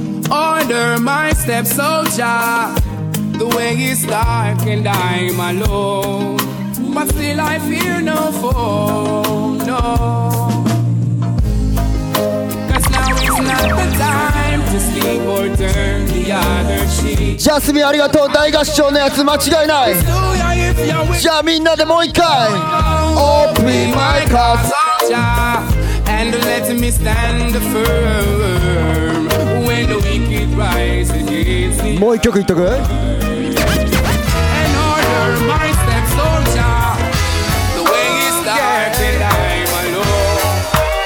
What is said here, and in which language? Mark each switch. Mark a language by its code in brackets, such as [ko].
[en] Order my steps, oh Jah, the way is dark and I'm alone, but still I fear no foe, no. Cause now is not the time. [ja] ジャスミンありがとう。大合唱のやつ間違いない。じゃあみんなでもう一回 [en] Open my cards And let me stand firm When the wicked rise against me [ja] もう一曲いっとく。 [en] And order my steps, oh Jah The way is dark and I'm